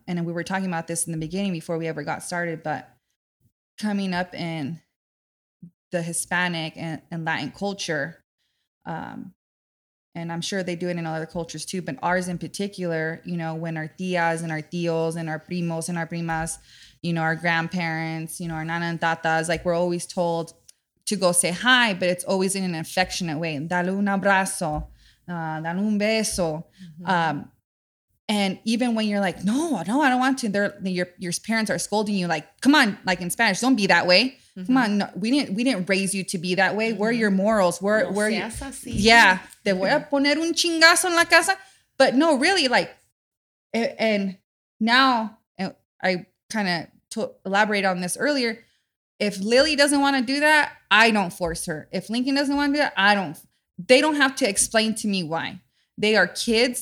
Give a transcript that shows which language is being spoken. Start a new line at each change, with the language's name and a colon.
English: And we were talking about this in the beginning before we ever got started, but coming up in the Hispanic and Latin culture, and I'm sure they do it in other cultures too, but ours in particular, you know, when our tías and our tíos and our primos and our primas, you know, our grandparents, you know, our nana and tatas, like, we're always told to go say hi, but it's always in an affectionate way.
Spanish: Dale un abrazo. dan un beso.
English: And even when you're like, no, I don't want to. Your parents are scolding you, like, come on, like in Spanish, don't be that way. Mm-hmm. Come on, no, we didn't raise you to be that way. Mm-hmm. Where are your morals? Where
Spanish: seas así. Yeah, te voy a poner un chingazo en la casa.
English: But no, really, like, and now I kind of elaborated on this earlier. If Lily doesn't want to do that, I don't force her. If Lincoln doesn't want to do that, I don't. They don't have to explain to me why. They are kids.